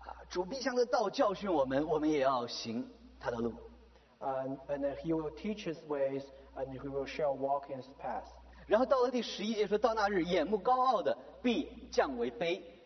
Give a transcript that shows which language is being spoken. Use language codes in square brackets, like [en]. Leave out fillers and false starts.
[zh] 主必向的道教训我们，我们也要行他的路。 [en] And then he will teach his ways and he will shall walk in his path. [zh] 然后到了第十一节说，到那日眼目高傲的必降为卑。